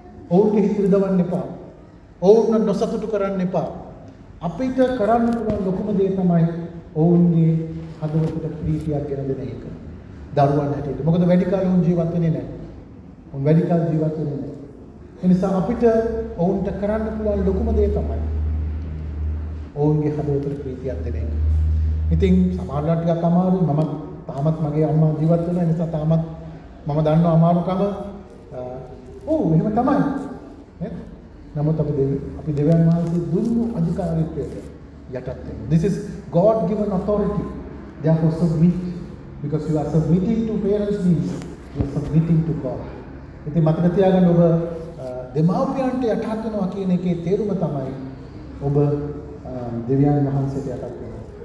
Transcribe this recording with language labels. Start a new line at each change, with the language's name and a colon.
Sinhala: ඔවුන්ට හිතර දවන්න එපා ඔවුන්ව නොසතුටු කරන්න එපා අපිට කරන්න පුළුවන් ලොකුම දේ තමයි ඔවුන්ගේ හදවතට ප්‍රීතියක් ගෙන දෙන එක දරුවන් හැටියට මොකද වැඩි කාලෙ උන් ජීවත් වෙන්නේ නැහැ උන් වැඩි කාල ජීවත් වෙන්නේ නැහැ එනිසා අපිට ඔවුන්ට කරන්න පුළුවන් ලොකුම දේ තමයි ඔවුන්ගේ හදවතට ප්‍රීතියක් දෙන එක. ඉතින් සමාජවල ටිකක් අමාරුයි. මම තාමත් මගේ අම්මා ජීවත් වෙන නිසා තාමත් මම දන්නවා අමාරුකම. ඔව් එහෙම තමයි. නේද? නමුත් අපි දෙවියන් වහන්සේ දුන්නු අධිකාරීත්වයට යටත් වෙන.
English: This is God given authority. Therefore submit because you are submitting to parents means you are submitting to God.
Sinhala: ඉතින් මතක තියාගන්න ඔබ දෙමාපියන්ට යටත් වෙනවා කියන එකේ තේරුම තමයි ඔබ දෙවියන් වහන්සේට යටත් වෙනවා.